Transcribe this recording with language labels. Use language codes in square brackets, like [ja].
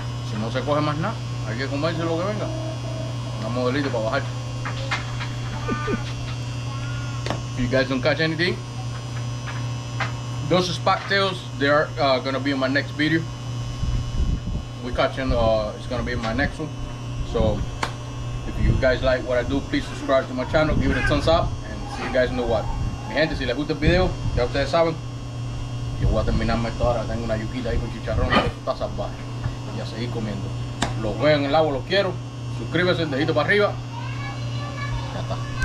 [es] Si no se coge más nada, hay que comerse lo que venga. Una modelita para bajar. [en] If you guys don't catch anything, those spot tails, they are gonna be in my next video. we're catching, it's gonna be my next one. So if you guys like what I do, please subscribe to my channel, give it a thumbs up, and see you guys in the water. [es] Mi gente, si les gusta el video, ya ustedes saben, yo voy a terminar mi tora, tengo una yuquita ahí con chicharrón, está salvaje, y a seguir comiendo. Los veo en el agua, los quiero, suscríbase, dedito para arriba, ya está.